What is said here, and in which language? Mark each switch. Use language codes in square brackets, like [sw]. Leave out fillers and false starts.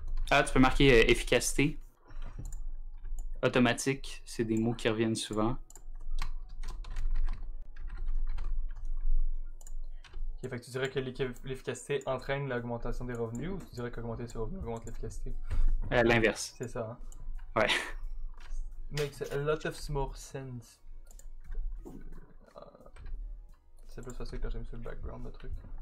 [fr] Ah, tu peux marquer efficacité. Automatique, c'est des mots qui reviennent souvent. Okay, fait que tu dirais que l'efficacité entraîne l'augmentation des revenus ou tu dirais qu'augmenter ses revenus augmente l'efficacité? L'inverse. C'est ça, Ouais. hein? [en] Makes a lot of more sense. [fr] C'est plus facile quand j'ai mis sur le background le truc.